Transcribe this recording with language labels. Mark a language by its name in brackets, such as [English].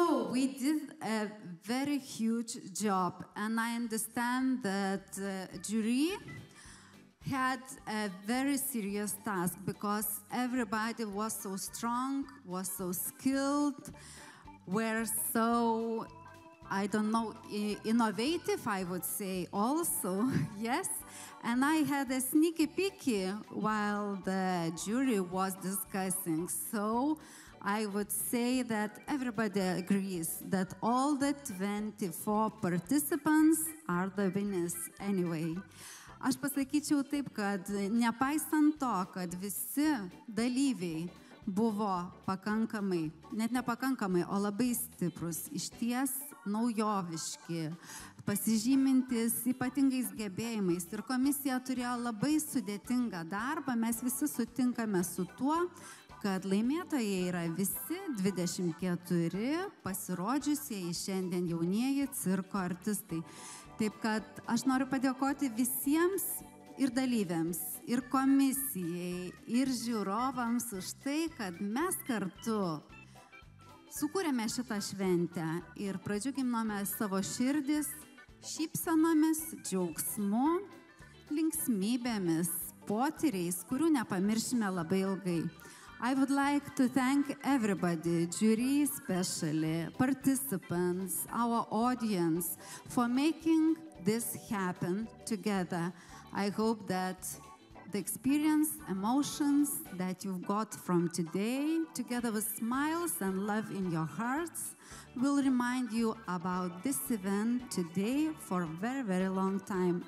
[English] We did a very huge job, and I understand that the jury had a very serious task because everybody was so strong, was so skilled, were so, I don't know, innovative, I would say also, yes. And I had a sneaky peeky while the jury was discussing, so I would say that everybody agrees that all the 24 participants are the winners anyway. [Lithuanian] Aš pasakyčiau taip, kad nepaisant to, kad visi dalyviai buvo pakankamai, net nepakankamai, o labai stiprus, išties naujoviški, pasižymintis ypatingais gebėjimais. Ir komisija turėjo labai sudėtingą darbą, mes visi sutinkame su tuo, kad laimėtojai yra visi 24 pasirodžiusieji šiandien jaunieji cirko artistai. Taip kad aš noriu padėkoti visiems ir dalyviams, ir komisijai, ir žiūrovams už tai, kad mes kartu sukūrėme šitą šventę ir pradžiuginome savo širdis šypsenomis, džiaugsmu, linksmybėmis, potyriais, kurių nepamiršime labai ilgai. [English] I would like to thank everybody, jury especially, participants, our audience, for making this happen together. I hope that the experience, emotions that you've got from today, together with smiles and love in your hearts, will remind you about this event today for a very, very long time.